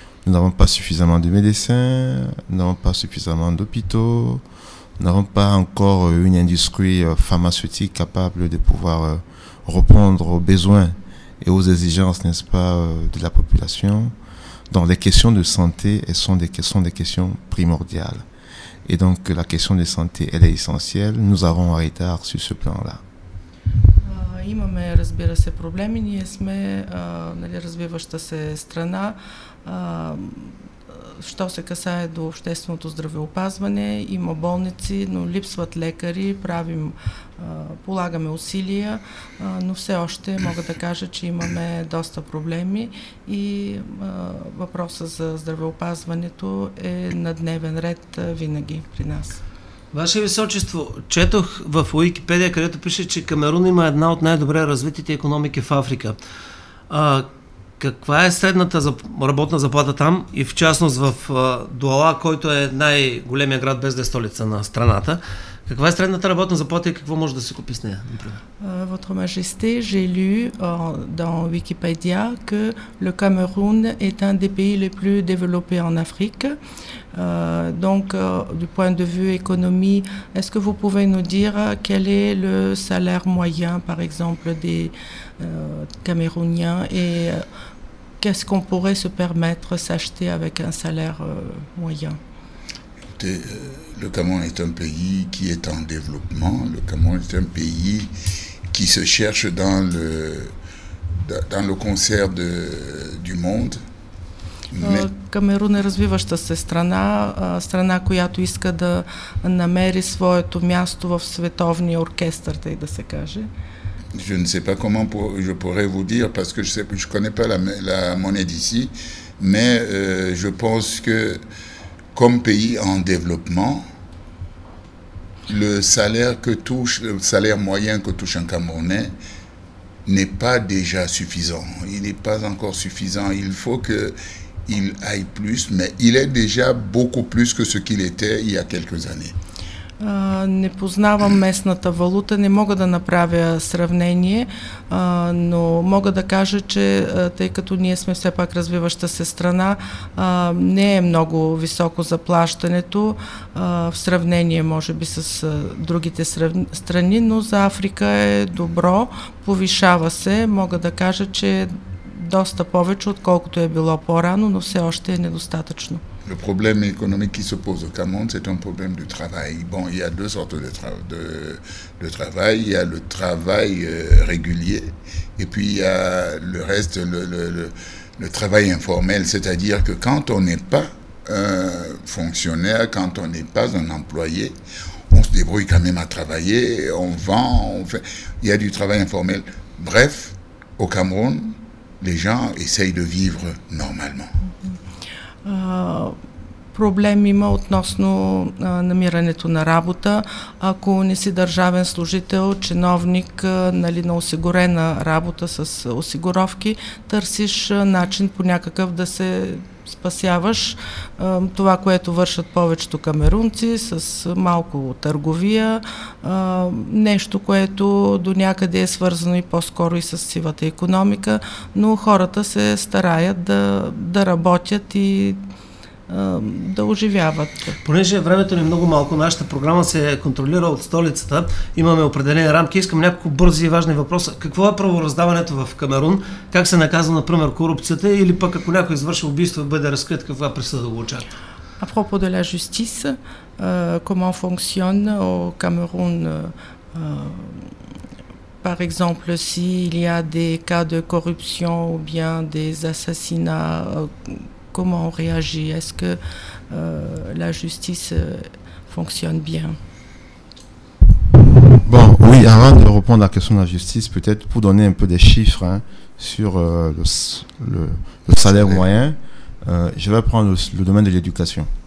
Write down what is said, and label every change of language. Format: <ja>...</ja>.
<fr>Nous n'avons pas suffisamment de médecins, nous n'avons pas suffisamment d'hôpitaux, nous n'avons pas encore une industrie pharmaceutique capable de pouvoir répondre aux besoins et aux exigences, n'est-ce pas, de la population. Donc les questions de santé, elles sont des questions primordiales. Et donc la question de santé, elle est essentielle. Nous avons un retard sur ce plan-là.</fr> <bg>Имаме, разбира се, проблеми. Ние сме развиваща се страна. що се касае до общественото здравеопазване, има болници, но липсват лекари, правим, полагаме усилия, но все още мога да кажа, че имаме доста проблеми и въпроса за здравеопазването е на дневен ред винаги при нас. Ваше височество, четох в Уикипедия, където пише, че Камерун има една от най-добре развитите икономики в Африка. Каква е средната работна заплата там и в частност в Дуала, който е най-големия град без да е столица на страната? Каква е средната работна заплата и какво може да се купи с нея?</bg> <fr>Votre Majesté, j'ai lu dans Wikipédia que le Cameroun est un des pays les plus développés en Afrique. Donc, du point de vue économie, est-ce que vous pouvez nous dire quel est le salaire moyen, par exemple, des Camerouniens et qu'est-ce qu'on pourrait se permettre s'acheter avec un salaire moyen? Le Cameroun est un pays qui est en développement. Le Cameroun est un pays qui se cherche dans le concert du monde.</fr> <bg>Камерун е развиваща се страна, страна, която иска да намери своето място в световния оркестър, тъй да се каже.</bg> <fr>Je ne sais pas comment je pourrais vous dire, parce que je connais pas la monnaie d'ici, mais je pense que comme pays en développement, le salaire moyen que touche un Camerounais n'est pas déjà suffisant. Il n'est pas encore suffisant. Il faut qu'il aille plus, mais il est déjà beaucoup plus que ce qu'il était il y a quelques années.</fr> <bg>Не познавам местната валута, не мога да направя сравнение, но мога да кажа, че тъй като ние сме все пак развиваща се страна, не е много високо заплащането в сравнение може би с другите страни, но за Африка е добро, повишава се, мога да кажа, че е доста повече отколкото е било по-рано, но все още е недостатъчно.</bg> <fr>Le problème économique qui se pose au Cameroun, c'est un problème de travail. Bon, il y a deux sortes de travail. Il y a le travail régulier et puis il y a le reste, le travail informel. C'est-à-dire que quand on n'est pas un fonctionnaire, quand on n'est pas un employé, on se débrouille quand même à travailler, on vend, on fait. Il y a du travail informel. Bref, au Cameroun, les gens essayent de vivre normalement.</fr> <bg>Проблем има относно намирането на работа. Ако не си държавен служител, чиновник, нали, на осигурена работа с осигуровки, търсиш начин по някакъв да се спасяваш. Това, което вършат повечето камерунци, с малко търговия, нещо, което до някъде е свързано и по-скоро и с сивата икономика, но хората се стараят да работят и да оживяват. Понеже времето ни е много малко, нашата програма се контролира от столицата, имаме определени рамки, искам няколко бързи и важни въпроса. Какво е правораздаването в Камерун? Как се наказва, например, корупцията? Или пък ако някой извърши убийство, бъде разкрит, каква присъда го очаква?</bg> <fr>А пропо де ла жустис, comment fonctionne au Cameroun? Par exemple, s'il y a des cas de corruption ou bien des assassinats, comment on réagit? Est-ce que la justice fonctionne bien? Bon, oui, avant de répondre à la question de la justice, peut-être pour donner un peu des chiffres sur le salaire moyen, je vais prendre le domaine de l'éducation.</fr>